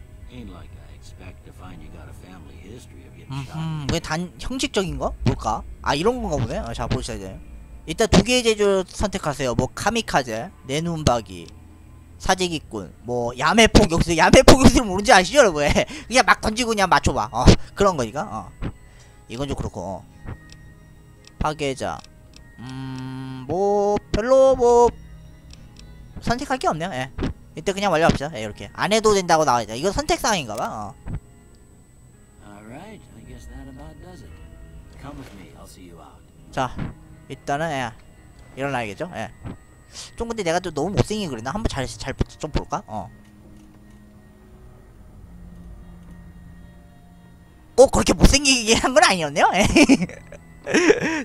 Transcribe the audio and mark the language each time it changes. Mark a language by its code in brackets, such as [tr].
[en] Ain't like I expect to find you got a family history of getting [ko] shot. 왜 단 형식적인 거? 뭘까? 아 이런 건가 보네. 아, 자 보셔야 돼. 일단 두 개의 제조 선택하세요. 뭐 카미카제, 내눈박이, 사재기꾼, 뭐 야매폭격수. 야매폭격수는 뭔지 아시죠, 여러분? 그냥 막 던지고 그냥 맞춰봐. 그런 거니까. 이건 좀 그렇고. 파괴자. 뭐 별로 뭐 선택할 게 없네요. 예. 이때 그냥 완료합시다. 예, 이렇게 안 해도 된다고 나와 있다. 이거 선택 사항인가봐. [en] Alright, I guess that about does it. Come with me. I'll see you out. [ko] 자, 일단은 예, 일어나야겠죠. 예. 좀 근데 내가 좀 너무 못생기 그랬나? 한번 잘 좀 볼까? 꼭 그렇게 못생기게 한 건 아니었네요. 예.